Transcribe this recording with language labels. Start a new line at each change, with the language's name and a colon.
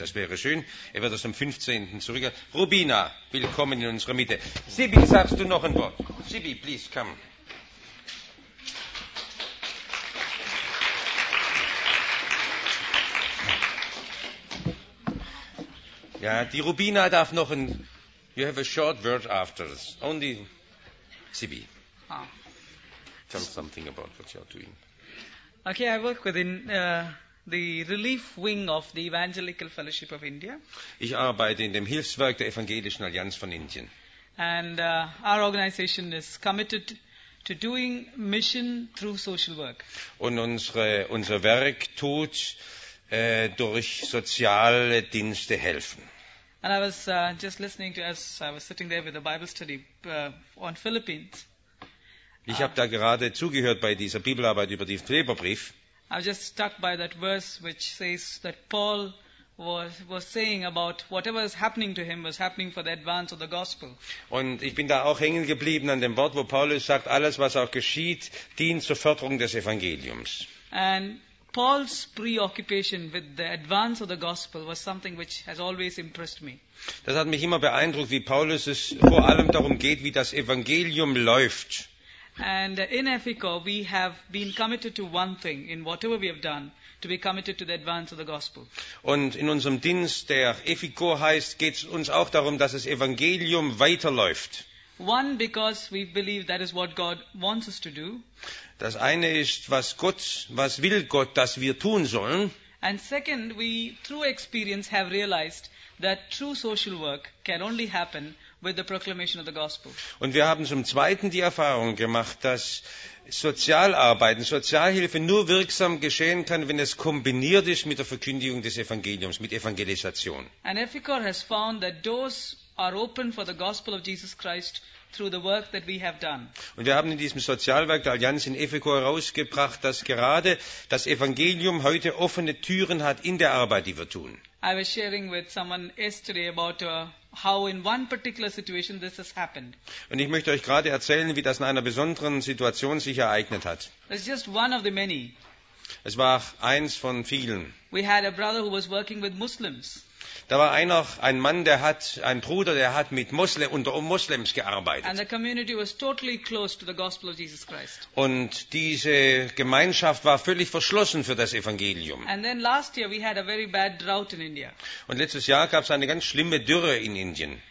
German: Das wäre schön. Er wird das am 15. zurück. Rubina, willkommen in unserer Mitte. Sibi, sagst du noch ein Wort? Sibi,
English: please come.
German: Ja, die Rubina darf noch ein...
English: You have a short word after us. Only Sibi. Oh. Tell something about what you're doing. Okay, I work within the relief wing of the Evangelical Fellowship of India.
German: Ich arbeite in dem Hilfswerk der Evangelischen Allianz von Indien.
English: And our organization is committed to doing mission through social work.
German: Und unser Werk tut durch soziale Dienste helfen.
English: And I was just listening to us. I was sitting there with a Bible study on Philippines.
German: Ich habe da gerade zugehört bei dieser Bibelarbeit über den Philipperbrief.
English: I was just stuck by that verse which says that Paul was saying about whatever is happening to him was happening for the advance of the gospel.
German: Und ich bin da auch hängen geblieben an dem Wort, wo Paulus sagt, alles was auch geschieht, dient zur Förderung des Evangeliums.
English: And Paul's preoccupation with the advance of the gospel was something which has always impressed me.
German: Das hat mich immer beeindruckt, wie Paulus es vor allem darum geht, wie das Evangelium läuft.
English: And in FECO we have been committed to one thing in whatever we have done, to be committed to the advance of the gospel.
German: Und in unserem Dienst, der FECO heißt, geht es uns auch darum, dass das Evangelium weiterläuft.
English: One, because we believe that is what God wants us to do.
German: Das eine ist, was will Gott, dass wir tun sollen.
English: And second, we through experience have realized that true social work can only happen with the proclamation of the gospel.
German: Und wir haben zum Zweiten die Erfahrung gemacht, dass Sozialarbeiten, Sozialhilfe nur wirksam geschehen kann, wenn es kombiniert ist mit der Verkündigung des Evangeliums, mit Evangelisation.
English: And EFICOR has found that doors are open for the gospel of Jesus Christ through the work that we have done.
German: Und wir haben in diesem Sozialwerk der Allianz in EFICOR herausgebracht, dass gerade das Evangelium heute offene Türen hat in der Arbeit, die wir tun.
English: I was sharing with someone yesterday about how in one particular situation this has happened.
German: Und ich möchte euch gerade erzählen, wie das in einer besonderen Situation sich ereignet hat.
English: It's just one of the many.
German: Es war eins von vielen.
English: We had a brother who was working with Muslims.
German: Da war ein Bruder, der hat mit unter Moslems gearbeitet.
English: And the community was totally closed to the gospel of Jesus Christ.
German: Und diese Gemeinschaft war völlig verschlossen für das Evangelium.
English: And then last year we had a very bad drought in India.
German: Und letztes Jahr gab es eine ganz schlimme Dürre in Indien.